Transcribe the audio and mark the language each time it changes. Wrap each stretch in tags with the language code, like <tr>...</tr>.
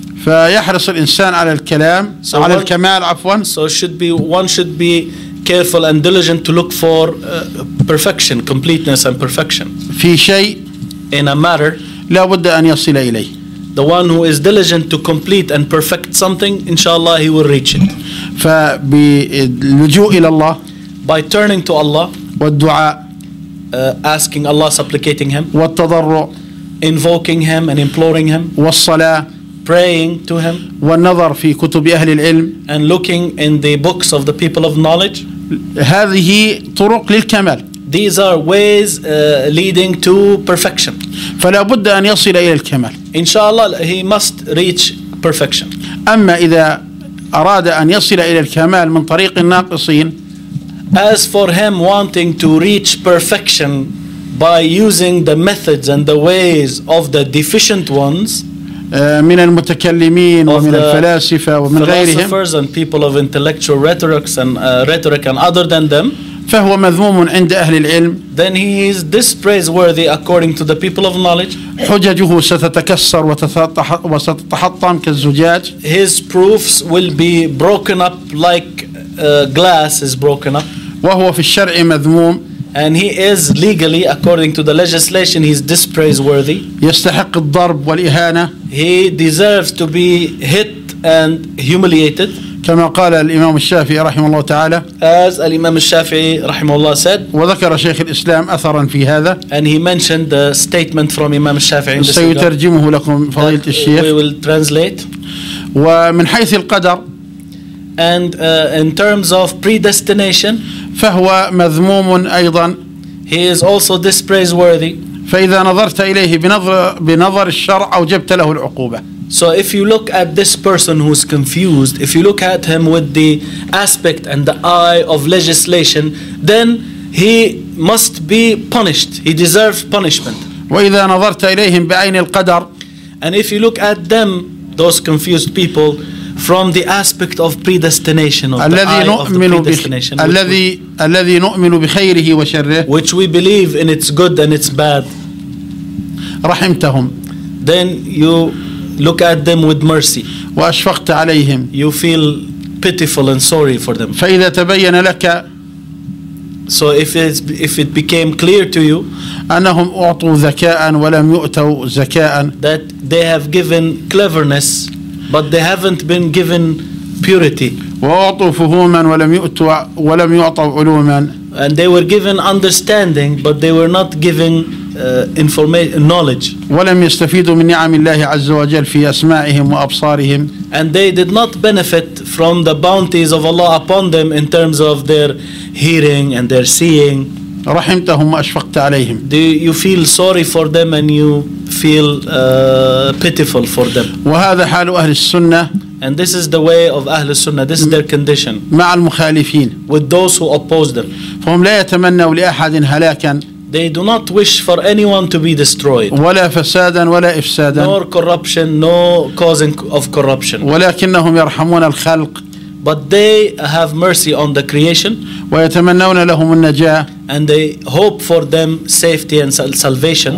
<ar>فيحرص الإنسان على الكلام</ar> <en>so</en> <ar>على</ar> <en>one,</en> <ar>الكمال عفوا.</ar> <en>So should be one should be careful and diligent to look for perfection, completeness and perfection.</en> <ar>في شيء</ar> <en>in a matter</en> <ar>لا بد أن يصل إليه.</ar> <en>The one who is diligent to complete and perfect something, inshallah, he will reach it.</en> <ar>فبلجوء إلى الله.</ar> <en>By turning to Allah.</en> <ar>والدعاء.</ar> <en>Asking Allah, supplicating Him.</en> <ar>والتضرع.</ar> <en>Invoking Him and imploring Him.</en> <ar>والصلاة.</ar> <en>Praying to Him.</en> <ar>والنظر في كتب أهل العلم.</ar> <en>And looking in the books of the people of knowledge.</en> <ar>هذه طرق للكمال.</ar> <en>These are ways leading to perfection.</en> <ar>فلا بد أن يصل إلى الكمال.</ar> <en>Inshallah, he must reach perfection.</en> <ar>أما إذا أراد أن يصل إلى الكمال من طريق الناقصين.</ar> <en>As for him wanting to reach perfection by using the methods and the ways of the deficient ones.</en> <ar>من المتكلمين ومن الفلاسفة ومن غيرهم.</ar> <en>Philosophers and people of intellectual rhetorics and rhetoric and other than them.</en> <ar>فهو مذموم عند أهل العلم.</ar> <en>Then he is dispraiseworthy according to the people of knowledge.</en> <ar>حججه ستتكسر وستتحطم كالزجاج.</ar> <en>His proofs will be broken up like glass is broken up.</en> <ar>وهو في الشرع مذموم.</ar> <en>And he is legally, according to the legislation, he is dispraiseworthy.</en> <ar>يستحق الضرب والإهانة.</ar> <en>He deserves to be hit and humiliated.</en> <ar>كما قال الإمام الشافعي رحمه الله تعالى.</ar> <en>As الإمام الشافعي</en> <ar>رحمه الله</ar> <en>said.</en> <ar>وذكر شيخ الإسلام أثرا في هذا.</ar> <en>And he mentioned the statement from Imam الشافعي.</en> <ar>سيترجمه لكم فضيلة الشيخ.</ar> <en>We will translate.</en> <ar>ومن حيث القدر.</ar> <en>And in terms of predestination.</en> <ar>فهو مذموم أيضا.</ar> <en>He is also dispraiseworthy.</en> <ar>فإذا نظرت إليه بنظر الشرع أوجبت له العقوبة.</ar> <en>So if you look at this person who's confused, if you look at him with the aspect and the eye of legislation, then he must be punished. He deserves punishment.</en> <ar>وإذا نظرت إليهم بعين القدر,</ar> <en>and if you look at them, those confused people, from the aspect of predestination, of the eye of the predestination,</en> <ar>الذي نؤمن بخيره وشره,</ar> <en>which we believe in its good and its bad,</en> <ar>رحمتهم,</ar> <en>then you look at them with mercy.</en> <ar>وأشفقت عليهم.</ar> <en>You feel pitiful and sorry for them.</en> <ar>فإذا تبين لك,</ar> <en>so if it became clear to you,</en> <ar>أنهم أعطوا ذكاء ولم يؤتوا ذكاء,</ar> <en>that they have given cleverness, but they haven't been given purity.</en> <ar>وأعطوا فهوما ولم يعطوا علوما.</ar> <en>And they were given understanding, but they were not given information, knowledge.</en> <ar>ولم يستفيدوا من نعم الله عز وجل في أسماعهم وأبصارهم.</ar> <en>And they did not benefit from the bounties of Allah upon them in terms of their hearing and their seeing.</en> <ar>رحمتهم وأشفقت عليهم.</ar> <en>Do you feel sorry for them and you feel pitiful for them?</en> <ar>وهذا حال أهل السنة.</ar> <en>And this is the way of أهل السنة. This is their condition.</en> <ar>مع المخالفين.</ar> <en>With those who oppose them.</en> <ar>فهم لا يتمنوا لأحد هلاكا.</ar> <en>They do not wish for anyone to be destroyed.</en> <ar>ولا فسادا ولا إفسادا.</ar> <en>Nor corruption, no causing of corruption.</en> <ar>ولكنهم يرحمون الخلق.</ar> <en>But they have mercy on the creation.</en> <ar>ويتمنون لهم النجاة.</ar> <en>And they hope for them safety and salvation.</en>